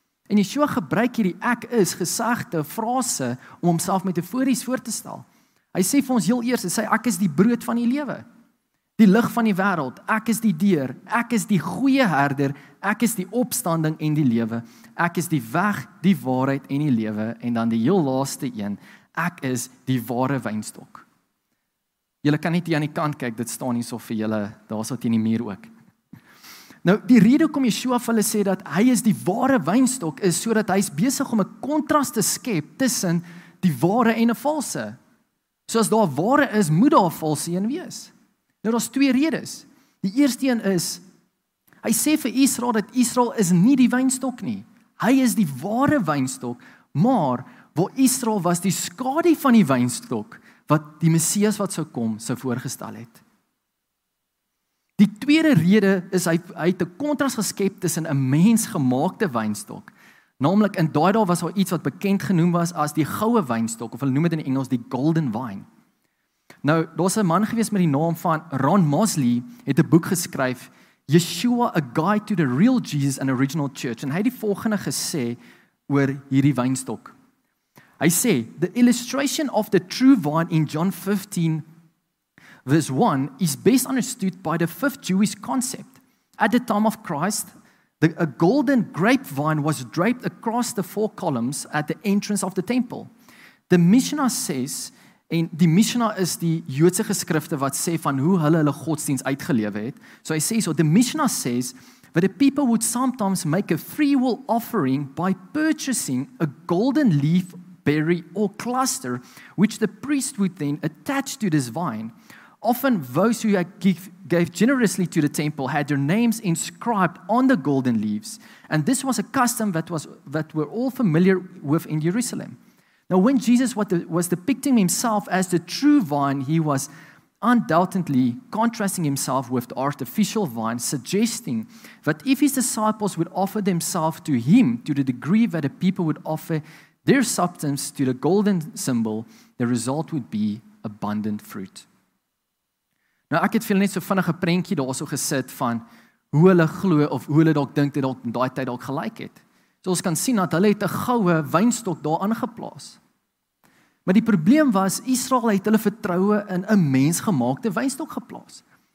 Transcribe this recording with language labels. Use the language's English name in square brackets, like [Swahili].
[Afrikaans] En Yeshua gebruik hierdie ek is gesegde frase om homself metafories voor te stel. Hy sê vir ons heel eers, hy sê ek is die brood van die lewe, die lig van die wêreld, ek is die deur, ek is die goeie herder, ek is die opstanding en die lewe, ek is die weg, die waarheid en die lewe, en dan die heel laaste een, ek is die ware wynstok. Julle kan net hier aan die kant kyk, dit staan hier so vir julle, daar so teen die muur ook. Nou, die rede kom Yeshua vir hulle sê dat hy is die ware wynstok, is sodat hy is besig om 'n kontras te skep tussen die ware en 'n valse. So as daar ware is, moet daar valse een wees. Nou, daar's twee redes. Die eerste een is, hy sê vir Israel dat Israel is nie die wynstok nie. Hy is die ware wynstok, maar waar Israel was die skadu van die wynstok, wat die Messias wat sou kom, sou voorgestel het. Die tweede rede is, hy het 'n kontras geskep tussen 'n mensgemaakte wynstok. Naamlik, in daai dae was daar iets wat bekend genoem was as die goue wynstok, of hulle noem dit in Engels die golden wine. Nou, daar's 'n man gewees met die naam van Ron Mosley, het 'n boek geskryf, Yeshua, A Guide to the Real Jesus and Original Church, en hy het die volgende gesê oor hierdie wynstok. Hy sê, [English] the illustration of the true vine in John 15, verse 1, is best understood by the fifth Jewish concept. At the time of Christ, a golden grapevine was draped across the four columns at the entrance of the temple. The Mishnah says, [Afrikaans] en die Mishnah is die Joodse geskrifte wat sê van hoe hulle hulle godsdienst uitgelewe het. So hy sê so, [English] the Mishnah says, that the people would sometimes make a free will offering by purchasing a golden leaf, berry or cluster, which the priest would then attach to this vine. Often those who gave generously to the temple had their names inscribed on the golden leaves, and this was a custom that we're all familiar with in Jerusalem. Now, when Jesus was depicting himself as the true vine, he was undoubtedly contrasting himself with the artificial vine, suggesting that if his disciples would offer themselves to him to the degree that the people would offer their substance to the golden symbol, the result would be abundant fruit. [Afrikaans] Nou, ek het vir net so vinnige prentjie daarso gesit van hoe hulle glo of hoe hulle dalk dink dit dalk in daai tyd dalk gelyk het. So ons kan sien dat hulle het 'n goue wynstok daar aangeplaas. Maar die probleem was, Israel het hulle vertroue in 'n mensgemaakte wynstok geplaas.